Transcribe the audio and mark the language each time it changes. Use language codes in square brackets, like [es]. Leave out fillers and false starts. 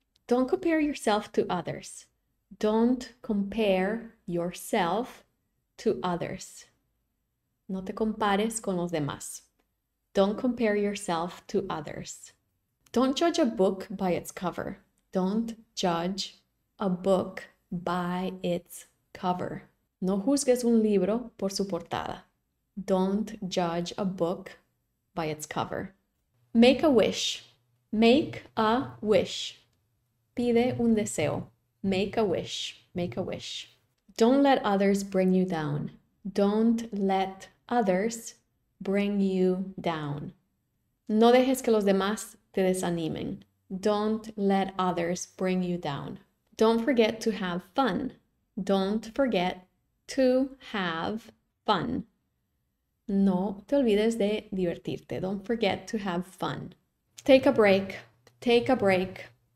[en] Don't compare yourself to others. Don't compare yourself to others. [es] No te compares con los demás. [en] Don't compare yourself to others. Don't judge a book by its cover. Don't judge a book by its cover. [es] No juzgues un libro por su portada. [en] Don't judge a book by its cover. Make a wish. Make a wish. [es] Pide un deseo. [en] Make a wish. Make a wish. Don't let others bring you down. Don't let others bring you down. [es] No dejes que los demás te desanimen. [en] Don't let others bring you down. Don't forget to have fun. Don't forget to have fun. [es] No te olvides de divertirte. [en] Don't forget to have fun. Take a break. Take a break.